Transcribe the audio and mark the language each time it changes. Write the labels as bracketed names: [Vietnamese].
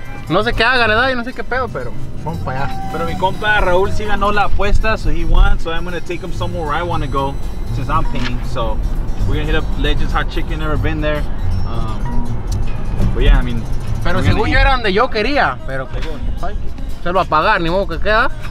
[Spanish] No sé qué haga, ¿verdad? Yo no sé qué pedo, pero vamos para allá. Pero mi compa Raúl sí ganó la apuesta, [English] so he won. So I'm gonna take him somewhere I wanna go, since I'm paying. So we're gonna hit up Legend Hot Chicken, never been there. But yeah, I mean. [Spanish] Pero según yo era donde yo quería, pero. Se lo va a pagar, ni modo que queda.